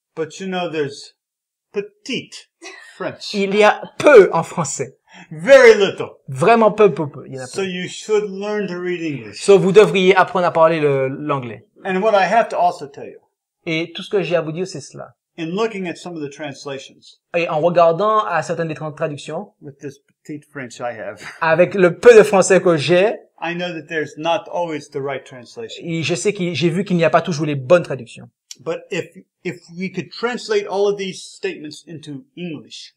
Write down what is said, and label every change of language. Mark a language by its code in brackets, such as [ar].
[en] But you know there's petite. French. [fr] Il y a peu en français. [en] Very little. [fr] Vraiment peu. Il y en a peu. [en] So you should learn to read English. [fr] So vous devriez apprendre à parler l'anglais. [en] And what I have to also tell you. [fr] Et tout ce que j'ai à vous dire, c'est cela. [en] In looking at some of the translations. [fr] Et en regardant à certaines des traductions. [en] With this petite French I have. [fr] Avec le peu de français que j'ai. [en] I know that there's not always the right translation. [fr] Et j'ai vu qu'il n'y a pas toujours les bonnes traductions. [en] But if we could translate all of these statements into English.